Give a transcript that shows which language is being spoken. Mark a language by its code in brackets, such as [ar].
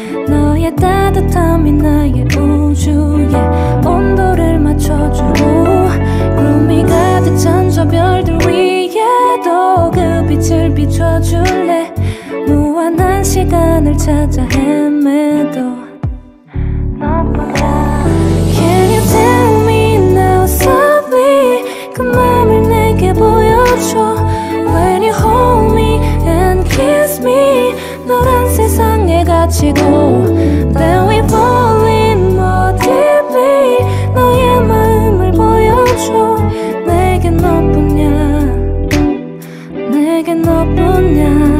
[ko] 너의 따뜻함이 나의 우주에 온도를 맞춰주고. 구름이 가득 찬 저 별들 위에도 그 빛을 비춰줄래. 무한한 시간을 찾아 헤매도 너뿐이야. [en] Can you tell me now, sorry. [ko] 그 맘을 내게 보여줘. [en] When you hold me and kiss me. [ko] 너란 세상에 갇히고. [en] Then we fall in more deeply. [ko] 너의 마음을 보여줘. 내겐 너뿐이야, 내겐 너뿐이야.